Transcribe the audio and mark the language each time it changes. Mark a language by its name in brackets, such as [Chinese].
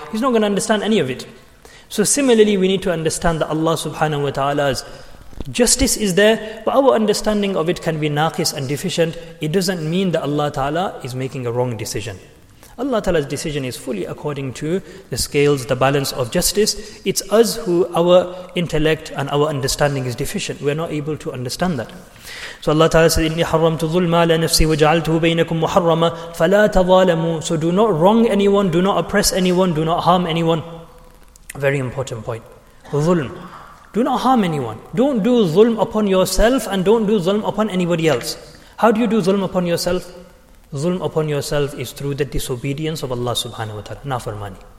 [English] He's not going to understand any of it. So similarly, we need to understand that Allah subhanahu wa ta'ala's justice is there, but our understanding of it can be naqis and deficient. It doesn't mean that Allah ta'ala is making a wrong decision. Allah ta'ala's decision is fully according to the scales, the balance of justice. It's us who our intellect and our understanding is deficient. We're not able to understand that. So Allah ta'ala says, [Arabic] إِنِّي حَرَّمْتُ ظُلْمَا لَنَفْسِي وَجَعَلْتُهُ بَيْنَكُمْ مُحَرَّمًا فَلَا تَظَالَمُوا. [English] So do not wrong anyone, do not oppress anyone, do not harm anyone. Very important point. ظُلْم. Do not harm anyone. Don't do ظُلْم upon yourself and don't do ظُلْم upon anybody else. How do you do ظُلْم upon yourself? Zulm upon yourself is through the disobedience of Allah subhanahu wa ta'ala. Nafarmani.